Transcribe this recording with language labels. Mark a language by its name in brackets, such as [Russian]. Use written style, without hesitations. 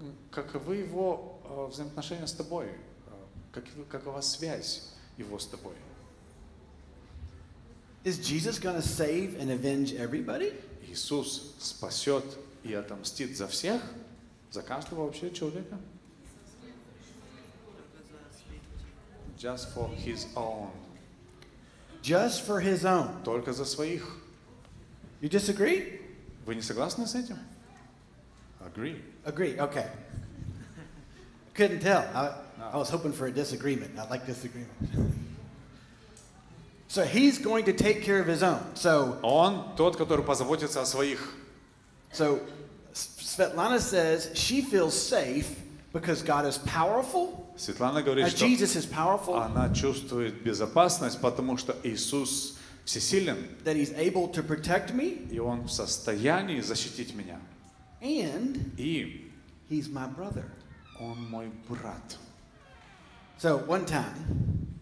[Russian] Каковы его взаимоотношения с тобой? Какова связь его с тобой? [English] Is Jesus going to save and avenge everybody? [Russian] Иисус спасет и отомстит за всех, за каждого вообще человека. [English] Just for his own. Just for his own. [Russian] Только за своих. [English] You disagree? [Russian] Вы не согласны с этим? [English] Agree. Agree. Okay. Couldn't tell. I was hoping for a disagreement. I like disagreement. So he's going to take care of his own. So [Russian] он тот, который позаботится о своих. [English] So Svetlana says she feels safe because God is powerful. [Russian] Светлана говорит, что [English] Jesus is powerful. [Russian] Она чувствует безопасность, потому что Иисус всесилен. [English] That he's able to protect me. [Russian] И он в состоянии защитить меня. [English] And [Russian] и [English] he's my brother. [Russian] Он мой брат. [English] So one time.